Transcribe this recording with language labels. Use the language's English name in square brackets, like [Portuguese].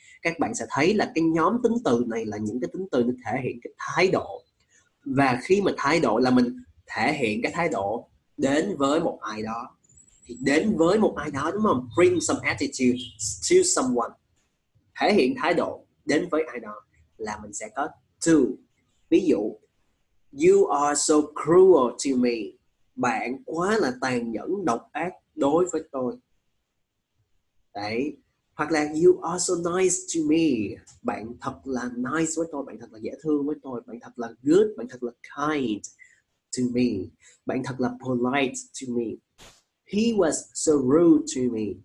[Vietnamese] Các bạn sẽ thấy là cái nhóm tính từ này là những cái tính từ nó thể hiện cái thái độ. Và khi mà thái độ là mình thể hiện cái thái độ đến với một ai đó. Thì đến với một ai đó, đúng không? [English] Bring some attitude to someone. [Vietnamese] Thể hiện thái độ đến với ai đó là mình sẽ có to. Ví dụ, [English] you are so cruel to me. [Vietnamese] Bạn quá là tàn nhẫn, độc ác đối với tôi. Đấy. Hoặc là [English] you are so nice to me. [Vietnamese] Bạn thật là nice với tôi, bạn thật là dễ thương với tôi, bạn thật là good, bạn thật là [English] kind to me. [Vietnamese] Bạn thật là [English] polite to me. He was so rude to me.